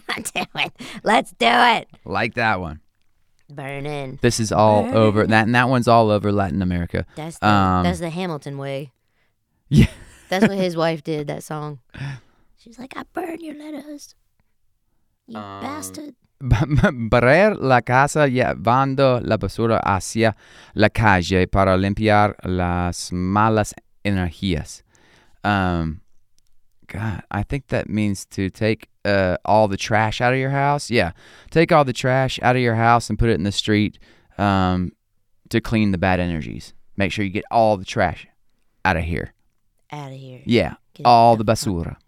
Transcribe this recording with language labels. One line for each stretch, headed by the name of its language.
English: Let's do it. Like that one. Burning. This is all burn. Over that, and that one's all over Latin America. That's the Hamilton way. Yeah, that's what his wife did. That song. She's like, I burn your letters, you bastard.
Spanish: Barrer la casa llevando la basura hacia la calle para limpiar las malas energías.
English: God, I think that means to take all the trash out of your house. Yeah, take all the trash out of your house and put it in the street to clean the bad energies. Make sure you get all the trash out of here. Out of here. Yeah, all the
Spanish: basura.